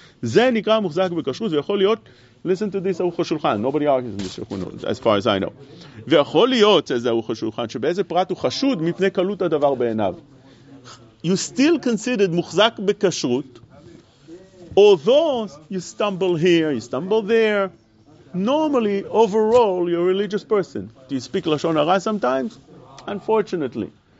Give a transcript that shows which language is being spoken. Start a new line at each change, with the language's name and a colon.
Hebrew: זה נקרא מוחזק בקשרות, ויכול להיות,
English: listen to this,
Hebrew: ארוח השולחן.
English: Nobody argues in this, as far as I know.
Hebrew: ויכול להיות, זה ארוח השולחן, שבאיזה פרט הוא חשוד מפני קלות הדבר בעיניו.
English: You still considered מוחזק בקשרות, although you stumble here, you stumble there, normally, overall, you're a religious person. Do you speak Lashon Hara sometimes? Unfortunately.